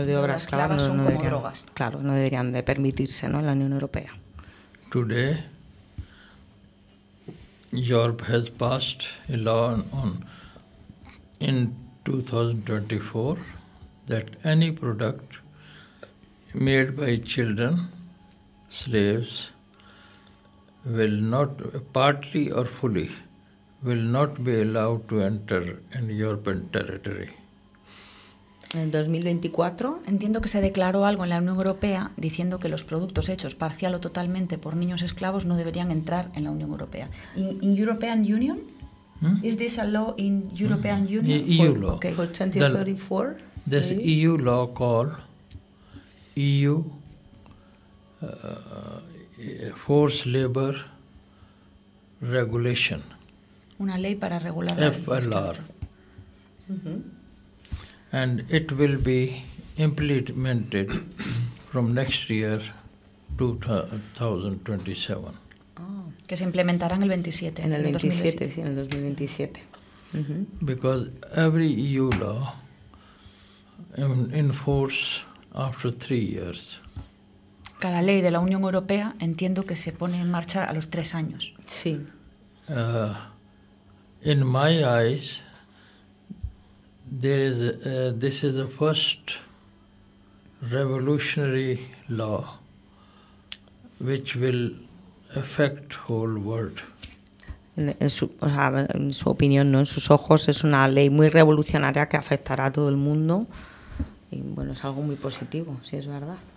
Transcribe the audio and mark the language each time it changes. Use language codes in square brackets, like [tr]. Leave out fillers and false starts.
[es] Los productos hechos por manos de obra esclava son como drogas. Claro, no deberían de permitirse, ¿no? En la Unión Europea. [en] Today, Europe has passed a law in 2024 that any product made by children, slaves, will not, partly or fully, will not be allowed to enter in European territory. [es] En 2024, entiendo que se declaró algo en la Unión Europea diciendo que los productos hechos parcial o totalmente por niños esclavos no deberían entrar en la Unión Europea. [en] In European Union? Hmm? Is this a law in European Union? EU law. Okay, for 2034? This maybe? EU law called EU forced labor regulation. [es] Una ley para regular. [en] FLR. Mm-hmm. And it will be implemented from next year, 2027. [es] Oh. Que se implementará en el 27. En el 27, sí, en el 2027. [en] Mm-hmm. Because every EU law enforces after 3 years. [es] Cada ley de la Unión Europea entiendo que se pone en marcha a los 3 años. Sí. [en] In my eyes, there is this is the first revolutionary law which will affect whole world. [es] En su opinión, ¿no? En sus ojos es una ley muy revolucionaria que afectará a todo el mundo. Y bueno, es algo muy positivo, si es verdad.